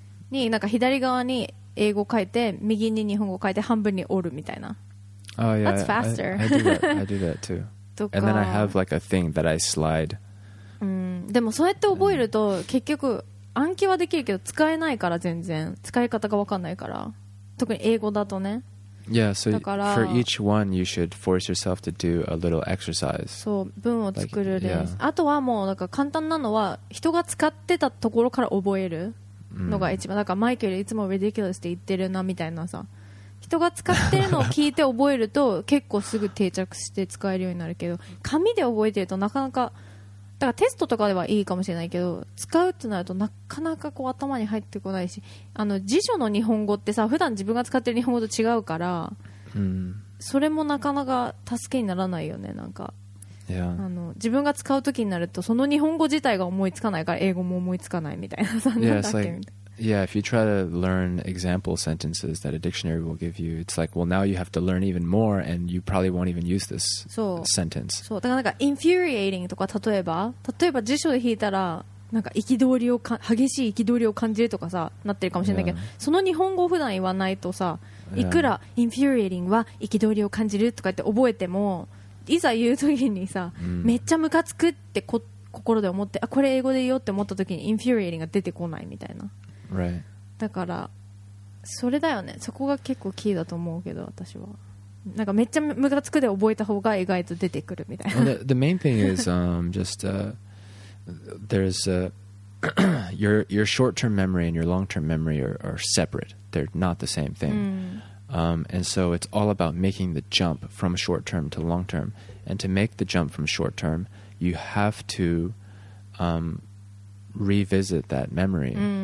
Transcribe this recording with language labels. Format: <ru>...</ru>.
<ja>になんか左側に英語書いて右に日本語書いて半分に折るみたいな。</ja> <en>Oh, yeah, That's faster. I do that too.</en> <ja>とか。</ja> <en>And then I have like a thing that I slide.</en> <ja>でもそうやって覚えると結局暗記はできるけど使えないから、全然使い方が分かんないから、特に英語だとね。</ja> <en>Yeah, so</en> <ja>だから</ja> <en>for each one you should force yourself to do a little exercise.</en> <ja>そう、文を作るです。あとはもうなんか簡単なのは人が使ってたところから覚えるのが一番。だからマイケルいつも ridiculous って言ってるなみたいなさ、人が使ってるのを聞いて覚えると結構すぐ定着して使えるようになるけど、紙で覚えてるとなかなか、だからテストとかではいいかもしれないけど、使うってなるとなかなかこう頭に入ってこないし、あの辞書の日本語ってさ、普段自分が使ってる日本語と違うから、それもなかなか助けにならないよね。なんか、</ja> <en>yeah.</en> <ja>あの自分が使うときになるとその日本語自体が思いつかないから英語も思いつかないみたいな。そんなんだっけ、</ja> <en>yeah, like, yeah, if you try to learn example sentences that a dictionary will give you, it's like, well, now you have to learn even more and you probably won't even use this sentence.</en> <ja>そう、だからなんか infuriating とか、例えば辞書で引いたらなんか憤りをか激しい憤りを感じるとかさ、なってるかもしれないけど、</ja> <en>yeah.</en> <ja>その日本語を普段言わないとさ、いくら infuriating は憤りを感じるとかって覚えても、いざ言うときにさ、めっちゃムカつくって心で思って、あ、これ英語で言おうって思ったときに infuriating が出てこないみたいな、</ja> <en>right.</en> <ja>だからそれだよね。そこが結構キーだと思うけど、私はなんかめっちゃムカつくで覚えた方が意外と出てくるみたいな。</ja> <en>the main thing is just there's your short term memory and your long term memory are separate. They're not the same thing. And so it's all about making the jump from short term to long term. And to make the jump from short term, you have to revisit that memory.</en>